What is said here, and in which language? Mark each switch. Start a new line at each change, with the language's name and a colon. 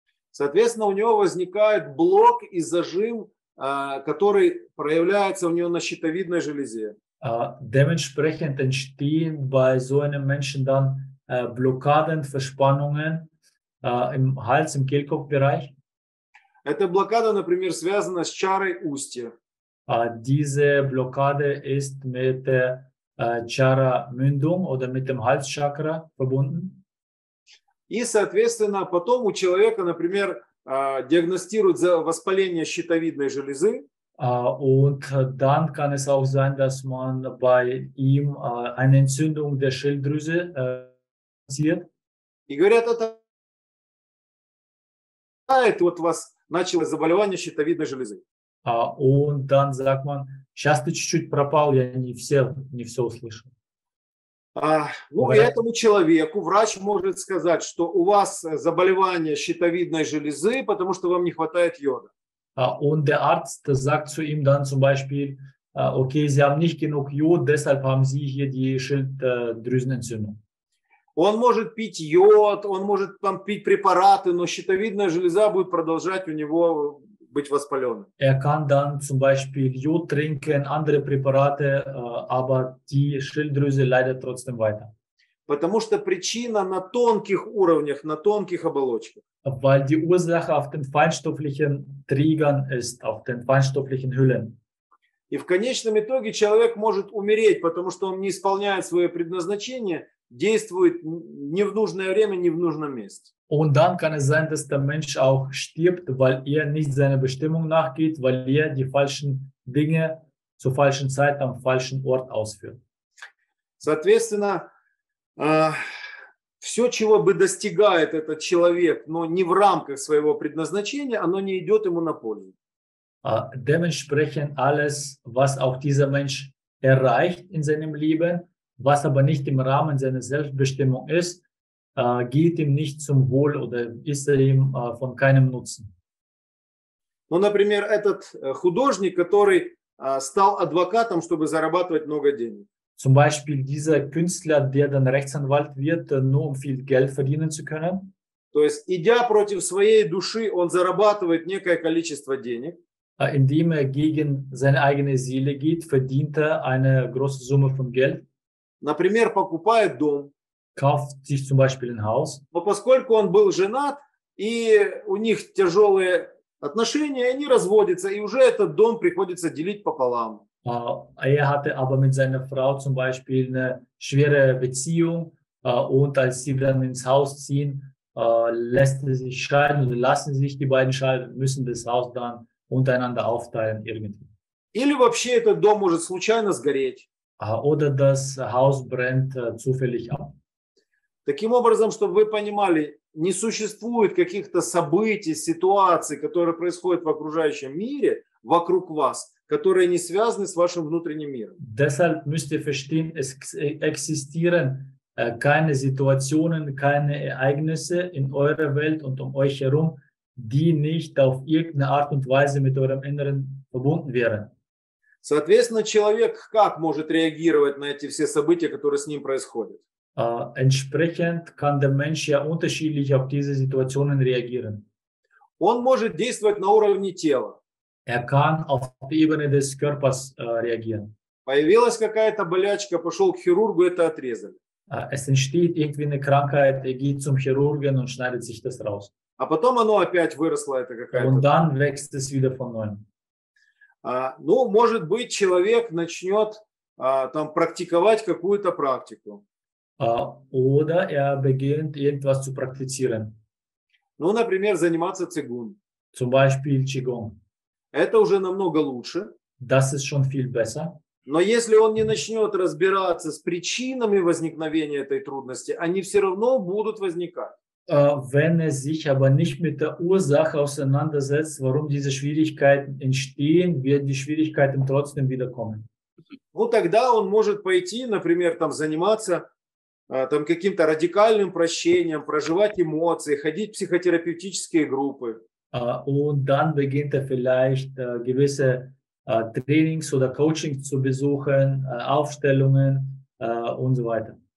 Russian: Соответственно, у него возникает блок и зажим, который проявляется у него на щитовидной железе.
German: Dementsprechend entstehen bei so einem Menschen dann Blockaden, Verspannungen im Hals, im Kehlkopfbereich.
Russian: Эта блокада, например, связана с чарой устья.
German: Diese Blockade ist mit der Chara Mündung oder mit dem Halschakra verbunden.
Russian: И, соответственно, потом у человека, например, диагностируют за воспаление щитовидной железы.
German: Und dann kann es auch sein, dass man bei ihm eine Entzündung der Schilddrüse sieht.
Russian: И говорят, это вот у вас началось заболевание щитовидной железы.
German: Und dann sagt man,
Russian: сейчас ты чуть-чуть пропал, я не все услышал. Ну, и этому человеку врач может сказать, что у вас заболевание щитовидной железы, потому что вам не хватает йода.
German: Und der Arzt sagt zu ihm dann zum Beispiel, okay, Sie haben nicht genug Jod, deshalb haben Sie hier die Schilddrüsenentzündung.
Russian: Он может пить йод, он может там пить препараты, но щитовидная железа будет продолжать у него быть воспаленной.
German: Kann dann zum Beispiel Jod trinken, andere Präparate, aber die Schilddrüse leidet trotzdem weiter.
Russian: Потому что причина на тонких уровнях, на тонких оболочках.
German: Weil die Ursache auf den feinstofflichen Trägern ist, auf den feinstofflichen Hüllen.
Russian: И в конечном итоге человек может умереть, потому что он не исполняет свое предназначение, действует не в нужное время, не в нужном месте.
German: Und dann kann es sein, dass der Mensch auch stirbt, weil nicht seiner Bestimmung nachgeht, weil die falschen Dinge zur falschen Zeit am falschen Ort ausführt.
Russian: Соответственно, все, чего бы достигает этот человек, но не в рамках своего предназначения, оно не идет ему на пользу.
German: Dementsprechend alles, was auch dieser Mensch erreicht in seinem Leben, was aber nicht im Rahmen seiner Selbstbestimmung ist, geht ihm nicht zum Wohl oder ist er ihm von keinem Nutzen.
Russian: Ну, например, этот художник, который стал адвокатом, чтобы зарабатывать много денег.
German: Zum Beispiel dieser Künstler, der dann Rechtsanwalt wird, nur um viel Geld verdienen zu können.
Russian: То есть, идя против своей души, он зарабатывает некое количество денег.
German: Indem er gegen seine eigene Seele geht, verdient er eine große Summe von Geld.
Russian: Например, покупает дом.
German: Kauft sich zum Beispiel ein Haus.
Russian: Но поскольку он был женат, и у них тяжелые отношения, они разводятся, и уже этот дом приходится делить пополам.
German: Hatte aber mit seiner Frau zum Beispiel eine schwere Beziehung, und als sie dann ins Haus ziehen, lassen sich die beiden scheiden, müssen das Haus dann untereinander aufteilen irgendwie.
Russian: Или вообще этот дом может случайно сгореть.
German: Oder das Haus brennt zufällig ab.
Russian: Таким образом, чтобы вы понимали, не существует каких-то событий, ситуаций, которые происходят в окружающем мире, вокруг вас, которые не связаны с вашим внутренним миром.
German: Deshalb müsst ihr verstehen, es existieren keine Situationen, keine Ereignisse in eurer Welt und um euch herum, die nicht auf irgendeine Art und Weise mit eurem Inneren verbunden wären.
Russian: Соответственно, человек как может реагировать на эти все события, которые с ним происходят?
German: Entsprechend kann der Mensch ja unterschiedlich auf diese Situationen reagieren.
Russian: Он может действовать на уровне тела.
German: Er kann auf Ebene des Körpers reagieren.
Russian: Появилась какая-то болячка, пошел к хирургу, это отрезали.
German: Es entsteht irgendwie eine Krankheit, er geht zum Chirurgen und schneidet sich das raus.
Russian: А потом оно опять выросло, это какая-то.
German: Und dann wächst es wieder von neuem.
Russian: Ну, может быть, человек начнет там практиковать какую-то практику.
German: Oder er beginnt irgendwas zu praktizieren.
Russian: Ну, например, заниматься цигун.
German: Zum Beispiel Qigong.
Russian: Это уже намного лучше.
German: Das ist schon viel besser.
Russian: Но если он не начнет разбираться с причинами возникновения этой трудности, они все равно будут возникать.
German: Wenn er sich aber nicht mit der Ursache auseinandersetzt, warum diese Schwierigkeiten entstehen, werden die Schwierigkeiten trotzdem wiederkommen.
Russian: Ну, тогда он может пойти, например, там заниматься там каким-то радикальным прощением, проживать эмоции, ходить в психотерапевтические группы.
German: Und dann beginnt er vielleicht gewisse Trainings oder Coachings zu besuchen, Aufstellungen und so weiter.